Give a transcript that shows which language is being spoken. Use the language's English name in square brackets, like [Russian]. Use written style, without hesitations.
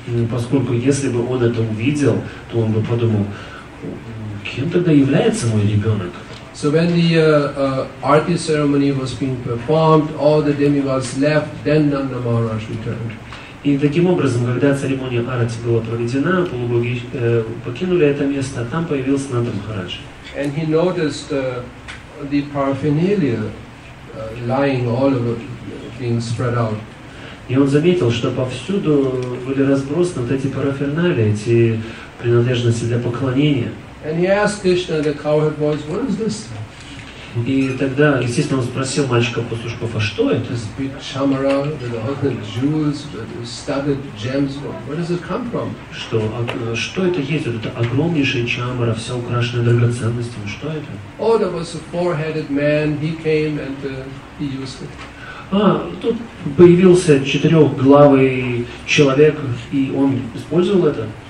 [Russian] Поскольку если бы он это увидел, то он бы подумал, кем тогда является мой ребенок? [English] So when the arti ceremony was being performed, all the demigods left, then Nanda Maharaj returned. [Russian] И таким образом, когда церемония арати была проведена, полубоги покинули это место, там появился Нанда Махарадж. [English] And he noticed the paraphernalia lying all over, being spread out. [Russian] И он заметил, что повсюду были разбросаны вот эти параферналии, эти принадлежности для поклонения. [English] And he asked Krishna the cowherd boys, what is this? [Russian] И тогда, естественно, он спросил мальчика пастушков, а что это? [English] This big chamara with all the jewels, with the studded gems, where does it come from? [Russian] Что, что это есть? Вот это огромнейшая чамара, вся украшенная драгоценностями, что это? [English] Oh, there was a four-headed man, he came and he used it. [Russian] А, тут появился четырехглавый человек, и он использовал это?